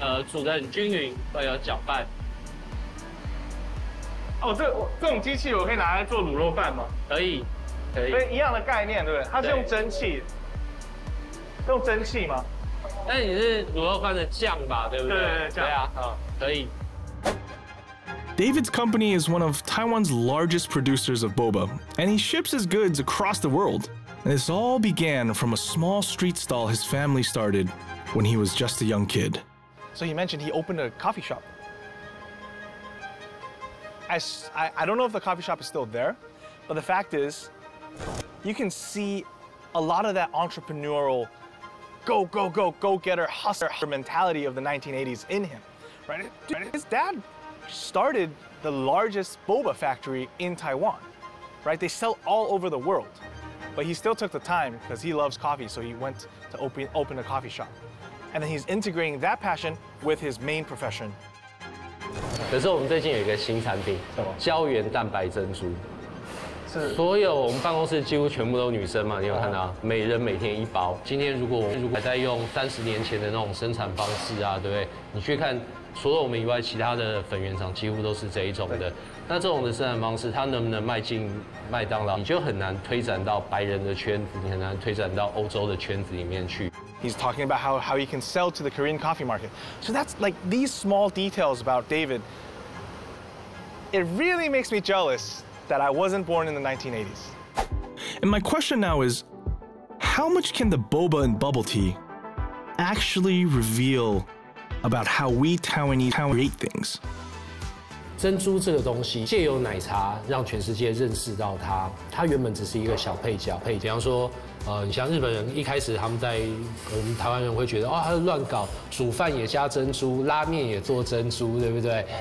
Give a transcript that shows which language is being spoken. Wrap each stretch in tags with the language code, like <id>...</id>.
<zh>煮得很均匀，会有搅拌。哦，这种机器我可以拿来做卤肉饭吗？可以，可以。所以一样的概念，对不对？它是用蒸汽，用蒸汽吗？那你是卤肉饭的酱吧，对不对？对啊，可以。</zh> <en>David's company is one of Taiwan's largest producers of boba, and he ships his goods across the world. This all began from a small street stall his family started when he was just a young kid. So he mentioned he opened a coffee shop. I don't know if the coffee shop is still there, but the fact is, you can see a lot of that entrepreneurial go, go, go, go-getter, hustler mentality of the 1980s in him. Right? His dad started the largest boba factory in Taiwan, right? They sell all over the world, but he still took the time because he loves coffee, so he went to open a coffee shop. And then he's integrating that passion with his main profession.</en> <zh>可是我们最近有一个新产品，什么？胶原蛋白珍珠。是。所有我们办公室几乎全部都女生嘛，你有看到？每人每天一包。今天如果还在用30年前的那种生产方式啊，对不对？你去看。除了我们以外，其他的粉圆厂几乎都是这一种的。那这种的生产方式，它能不能卖进麦当劳，你就很难推展到白人的圈子，你很难推展到欧洲的圈子里面去。</zh> <en>He's talking about how he can sell to the Korean coffee market. So that's like these small details about David. It really makes me jealous that I wasn't born in the 1980s. And my question now is, how much can the boba and bubble tea actually reveal? About how we Taiwanese create things.</en> <zh>珍珠这个东西借由奶茶让全世界认识到它，它原本只是一个小配角。配，比方说，你像日本人一开始他们在我们台湾人会觉得，哦，他乱搞，煮饭也加珍珠，拉面也做珍珠，对不对？</zh>